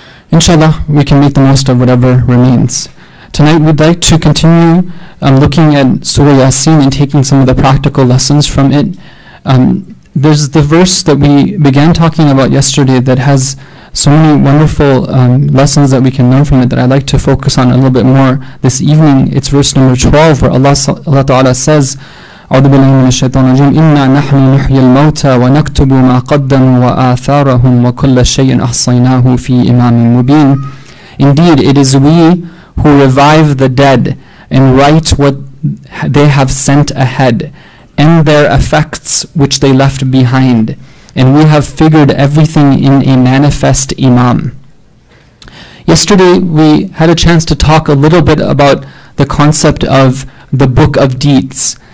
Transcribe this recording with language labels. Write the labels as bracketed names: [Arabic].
[English] Inshallah, we can make the most of whatever remains. Tonight, we'd like to continue looking at Surah Yasin and taking some of the practical lessons from it. There's the verse that we began talking about yesterday that has so many wonderful lessons that we can learn from it that I'd like to focus on a little bit more this evening. It's verse number 12, where Allah Ta'ala says, [Arabic] أعوذ بالله من الشيطان الرجيم إنا نحن نحيي الموتى ونكتب ما قدموا وآثارهم وكل شيء أحصيناه في إمام مبين. [English] Indeed, it is we who revive the dead and write what they have sent ahead and their effects which they left behind, and we have figured everything in a manifest Imam. Yesterday, we had a chance to talk a little bit about the concept of the Book of Deeds.